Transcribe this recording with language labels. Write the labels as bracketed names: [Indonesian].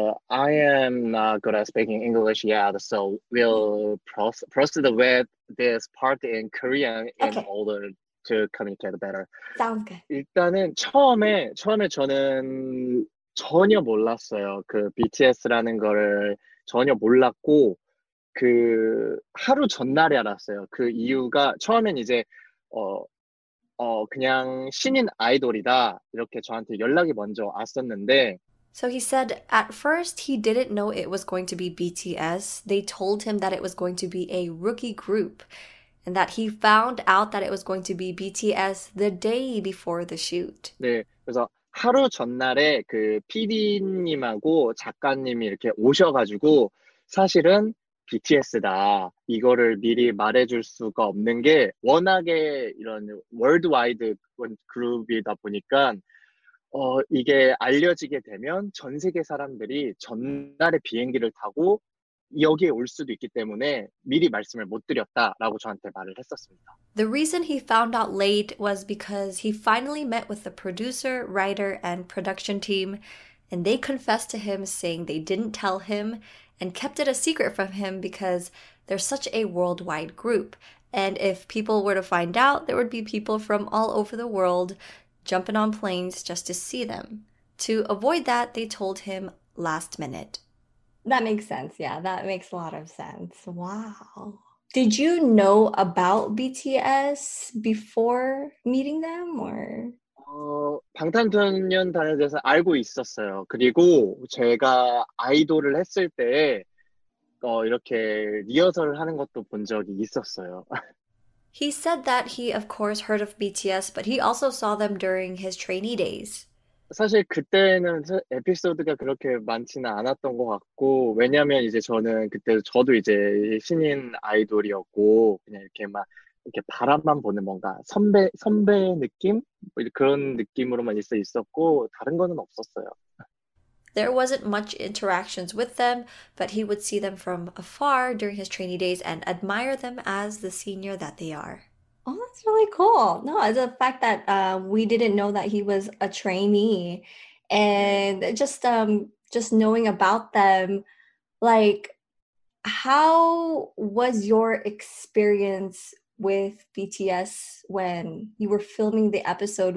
[English] I am not good at speaking English yet, so we'll proceed with this part in Korean in order to communicate better. Sounds good. [Korean] 일단은 처음에 저는 전혀 몰랐어요. 그 BTS라는 거를 전혀 몰랐고, 그 하루 전날에 알았어요. 그 이유가 처음엔 이제 그냥 신인 아이돌이다 이렇게 저한테 연락이 먼저 왔었는데. [English] So he said at first he didn't know it was going to be BTS. They told him that it was going to be a rookie group, and that he found out that it was going to be BTS the day before the shoot. [Korean] 네, 그래서 하루 전날에 그 PD님하고 작가님이 이렇게 오셔가지고 사실은 BTS다 이거를 미리 말해줄 수가 없는 게 워낙에 이런 월드와이드 그룹이다 보니까 이게 알려지게 되면 전 세계 사람들이 전날에 비행기를 타고 여기에 올 수도 있기 때문에 미리 말씀을 못 드렸다라고 저한테 말을 했었습니다. [English] The reason he found out late was because he finally met with the producer, writer, and production team, and they confessed to him saying they didn't tell him and kept it a secret from him because they're such a worldwide group. And if people were to find out, there would be people from all over the world jumping on planes just to see them. To avoid that, they told him last minute. That makes sense. Yeah, that makes a lot of sense. Wow. Did you know about BTS before meeting them or? [Korean] 방탄소년단에 대해서 알고 있었어요. 그리고 제가 아이돌을 했을 때 이렇게 리허설을 하는 것도 본 적이 있었어요. [English] He said that he of course heard of BTS, but he also saw them during his trainee days. [Korean] 사실 그때는 에피소드가 그렇게 많지는 않았던 것 같고, 왜냐면 이제 저는 그때 저도 이제 신인 아이돌이었고 그냥 이렇게 막 이렇게 바람만 보는 뭔가 선배 느낌? 그런 느낌으로만 있었고 다른 거는 없었어요. [English] There wasn't much interactions with them, but he would see them from afar during his trainee days and admire them as the senior that they are. Oh, that's really cool. No, the fact that we didn't know that he was a trainee, and just knowing about them, like, how was your experience with BTS when you were filming the episode?